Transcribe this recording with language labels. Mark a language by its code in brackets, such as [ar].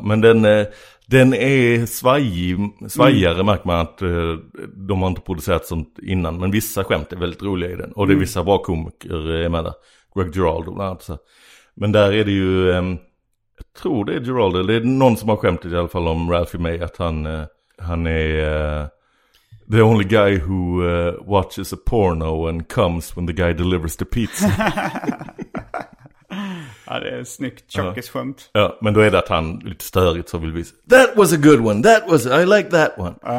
[sv] Men den är svajigare, märker man att de har inte producerat sånt innan. Men vissa skämt är väldigt roliga i den. Och det är vissa bra komiker med där. Greg Giraldo bland annat. Så här. Men där är det ju, jag tror det är Giraldo, det är någon som har skämt i alla fall om Ralphie May, att han är... [en] The only guy who watches a porno and comes when the guy delivers the pizza. [sv] Ja, det är snyggt, tjockiskt skämt. Ja, men då är det att han lite störigt så vill visa. [en] That was a good one, that was, I like that one.